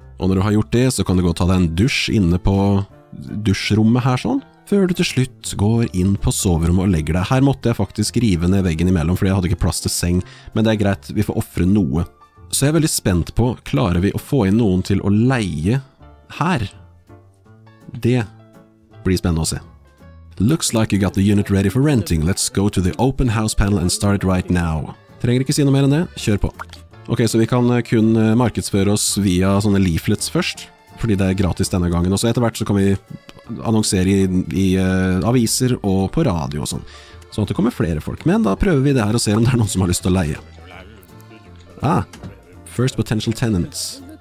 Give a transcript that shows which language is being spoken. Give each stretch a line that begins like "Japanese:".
Norwegian: Og når du har gjort det, så kan du gå og ta deg en dusj inne på dusjrommet her sånn, før du til slutt går inn på soverommet og legger deg. Her måtte jeg faktisk rive ned veggen imellom, fordi jeg hadde ikke plass til seng, men det er greit, vi får offre noe. Så jeg veldig spent på, klarer vi å få inn noen til å leie her? Det blir spennende å se.
English: Looks like you got the unit ready for renting. Let's go to the open house panel and start it right now.
Norwegian: Trenger ikke si noe mer enn det. Kjør på. Ok, så vi kan kun markedsføre oss via sånne leaflets først. Fordi det er gratis denne gangen. Og så etter hvert så kan vi annonsere i aviser og på radio og sånn. Sånn at det kommer flere folk. Men da prøver vi det her og ser om det er noen som har lyst til å leie.
English: Ah, first potential tenants.